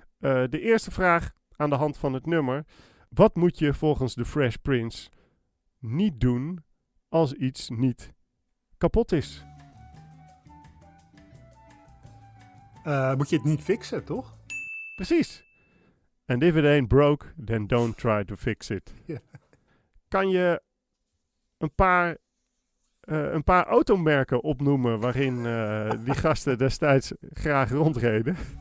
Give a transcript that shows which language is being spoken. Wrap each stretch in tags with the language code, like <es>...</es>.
<nl>De eerste vraag aan de hand van het nummer. Wat moet je volgens The Fresh Prince niet doen als iets niet kapot is? Moet je het niet fixen, toch? Precies.</nl> <en>And if it ain't broke, then don't try to fix it.</en> <nl>Ja. Kan je een paar automerken opnoemen waarin die gasten destijds graag rondreden?</nl>